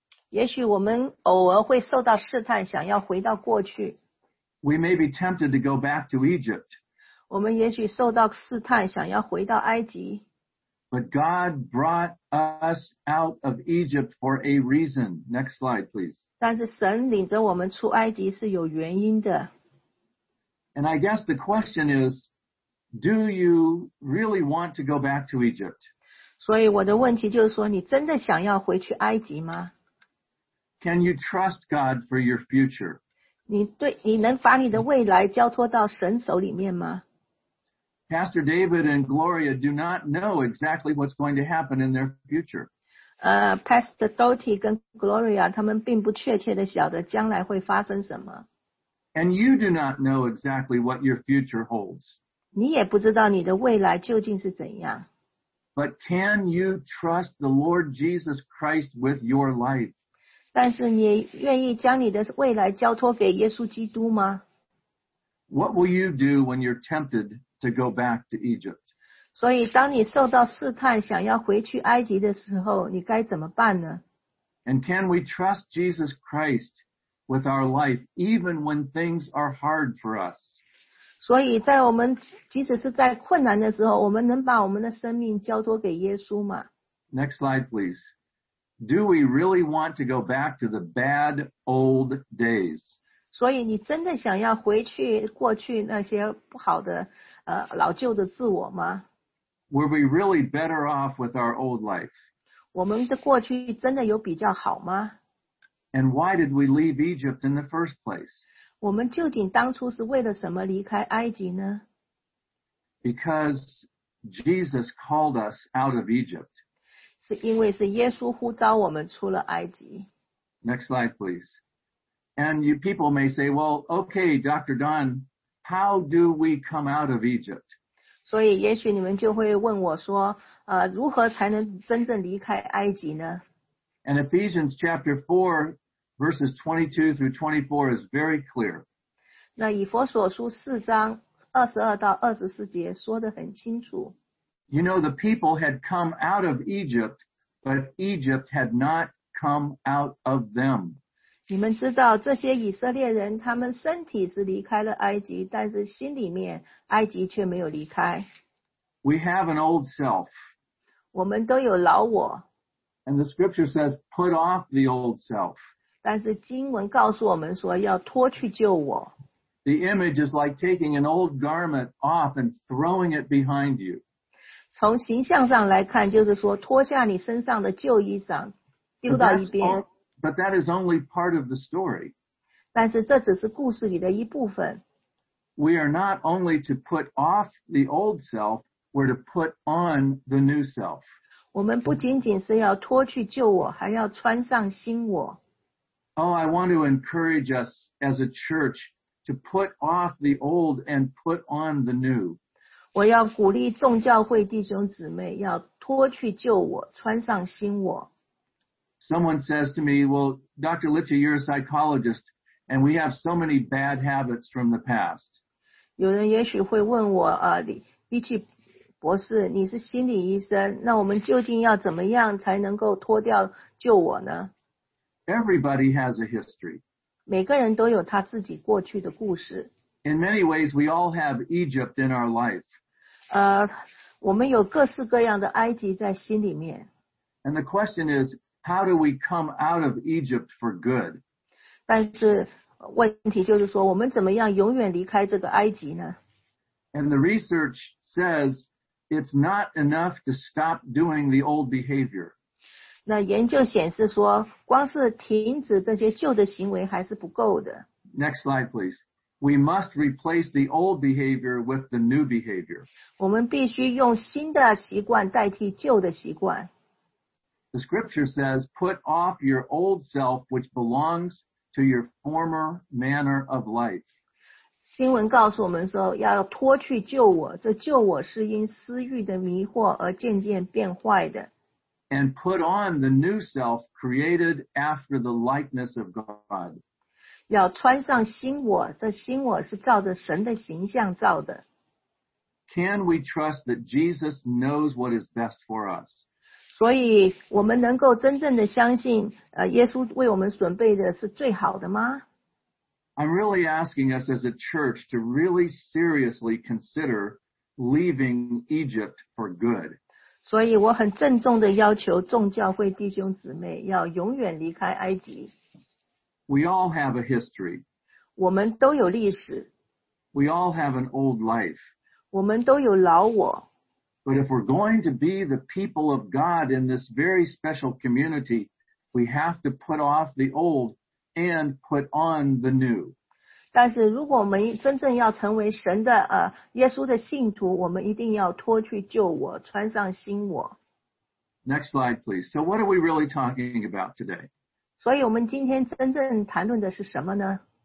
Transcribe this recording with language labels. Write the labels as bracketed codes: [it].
[zh] 也许我们偶尔会受到试探，想要回到过去。 [en] We may be tempted to go back to Egypt. [zh] 我们也许受到试探，想要回到埃及。 [en] But God brought us out of Egypt for a reason. Next slide, please. [zh] 但是神领着我们出埃及是有原因的。 [en] And I guess the question is, do you really want to go back to Egypt? [zh] 所以我的问题就是说，你真的想要回去埃及吗？ [en] Can you trust God for your future? [zh] 你能把你的未来交托到神手里面吗？ [en] Pastor David and Gloria do not know exactly what's going to happen in their future. [zh] Pastor Doty 跟 Gloria 他们并不确切地晓得将来会发生什么。 [en] And you do not know exactly what your future holds. [zh] 你也不知道你的未来究竟是怎样。 [en] But can you trust the Lord Jesus Christ with your life? [zh] 但是你愿意将你的未来交托给耶稣基督吗？ [en] What will you do when you're tempted? To go back to Egypt. [zh] 所以当你受到试探想要回去埃及的时候你该怎么办呢？ [en] And can we trust Jesus Christ with our life even when things are hard for us? [zh] 所以在我们即使是在困难的时候我们能把我们的生命交托给耶稣吗？ [en] Next slide please. Do we really want to go back to the bad old days? [zh] 所以你真的想要回去过去那些不好的老旧的自我吗? [en] Were we really better off with our old life? [zh] 我们的过去真的有比较好吗? [en] And why did we leave Egypt in the first place? [zh] 我们究竟当初是为了什么离开埃及呢? [en] Because Jesus called us out of Egypt. [zh] 是因为是耶稣呼召我们出了埃及。 [en] Next slide, please. And you people may say, well, okay, Dr. Don,How do we come out of Egypt? [zh] 所以也许你们就会问我说，如何才能真正离开埃及呢？ [en] And Ephesians chapter 4, verses 22 through 24 is very clear. [zh] 那以弗所书四章二十二到二十四节说得很清楚。 [en] You know, the people had come out of Egypt, but Egypt had not come out of them. [zh] 你们知道这些以色列人他们身体是离开了埃及但是心里面埃及却没有离开。 [en] We have an old self. [zh] 我们都有老我。 [en] And the scripture says put off the old self. [zh] 但是经文告诉我们说要脱去旧我。 [en] The image is like taking an old garment off and throwing it behind you. [zh] 从形象上来看就是说脱下你身上的旧衣裳丢到一边。 [en] But that is only part of the story. [zh] 但是这只是故事里的一部分。 [en] We are not only to put off the old self, we're to put on the new self. [zh] 我们不仅仅是要脱去旧我，还要穿上新我。 [en] Oh, I want to encourage us as a church to put off the old and put on the new. [zh] 我要鼓励众教会弟兄姊妹要脱去旧我，穿上新我。 [en] Someone says to me, well, Dr. Litchie, you're a psychologist, and we have so many bad habits from the past. [zh] 有人也许会问我，Litchie博士，你是心理医生，那我们究竟要怎么样才能够脱掉旧我呢？ [en] Everybody has a history. [zh] 每个人都有他自己过去的故事。 [en] In many ways, we all have Egypt in our life. [zh] 我们有各式各样的埃及在心里面。 [en] And the question is,How do we come out of Egypt for good? [zh] 但是问题就是说我们怎么样永远离开这个埃及呢? [en] And the research says it's not enough to stop doing the old behavior. [zh] 那研究显示说光是停止这些旧的行为还是不够的。 [en] Next slide, please. We must replace the old behavior with the new behavior. [zh] 我们必须用新的习惯代替旧的习惯。 [en] The scripture says, put off your old self which belongs to your former manner of life. [zh] 新闻告诉我们说要脱去旧我，这旧我是因私欲的迷惑而渐渐变坏的。 [en] And put on the new self created after the likeness of God. [zh] 要穿上新我，这新我是照着神的形象造的。 [en] Can we trust that Jesus knows what is best for us? [zh] 所以我们能够真正的相信耶稣为我们准备的是最好的吗? [en] I'm really asking us as a church to really seriously consider leaving Egypt for good. [zh] 所以我很郑重地要求众教会弟兄姊妹要永远离开埃及。 [en] We all have a history. [zh] 我们都有历史。 [en] We all have an old life. [zh] 我们都有老我。 [en] But if we're going to be the people of God in this very special community, we have to put off the old and put on the new. [zh] 但是如果我们真正要成为神的耶稣的信徒，我们一定要脱去旧我，穿上新我。 [en] Next slide, please. So what are we really talking about today? [zh] 所以我们今天真正谈论的是什么呢？